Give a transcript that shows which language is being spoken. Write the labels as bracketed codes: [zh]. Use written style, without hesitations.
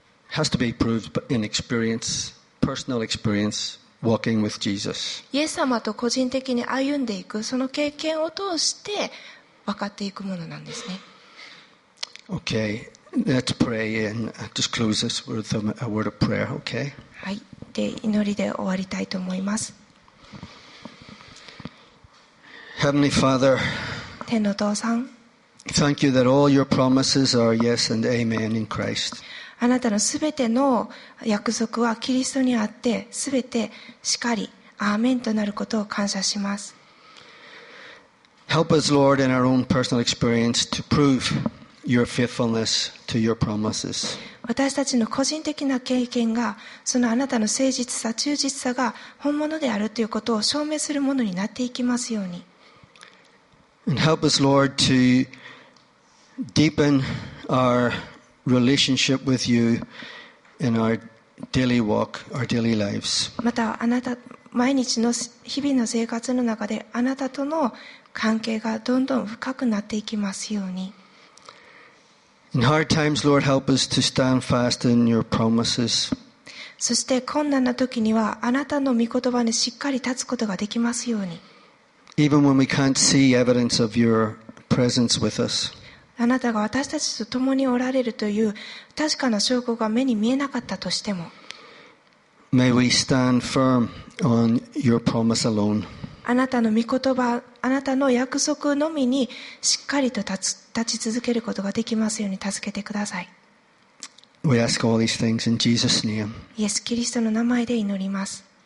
[en] It has to be proved in experience, personal experience. Walking with Jesus. [ja] イエス様と個人的に歩んでいくその経験を通して分かっていくものなんですね。 [en] Okay, let's pray and just close this with a word of prayer, okay? [ja] はい、で祈りで終わりたいと思います。 [en] Heavenly Father, [ja] 天のお父さん、 [en] Thank you that all your promises are yes and amen in Christ. [ja] あなたのすべての約束はキリストにあってすべてしかりアーメンとなることを感謝します。 [en] Help us, Lord, in our own personal experience to prove your faithfulness to your promises. [ja] 私たちの個人的な経験がそのあなたの誠実さ忠実さが本物であるということを証明するものになっていきますように。 [en] And help us, Lord, to deepen ourRelationship with you in our daily walk, our daily lives. [ja] またあなた毎日の日々の生活の中であなたとの関係がどんどん深くなっていきますように。 [en] In hard times, Lord, help us to stand fast in your promises. [ja] そして困難な時にはあなたの御言葉にしっかり立つことができますように。 [en] Even when we can't see evidence of your presence with us. [ja] あなたが私たちと共におられるという確かな証拠が目に見えなかったとしても、 [en] May we stand firm on your promise alone. [ja] あなたの御言葉、あなたの約束のみにしっかりと立ち続けることができますように助けてください。 [en] We ask all these things in Jesus' name. [ja] イエス・キリストの名前で祈ります。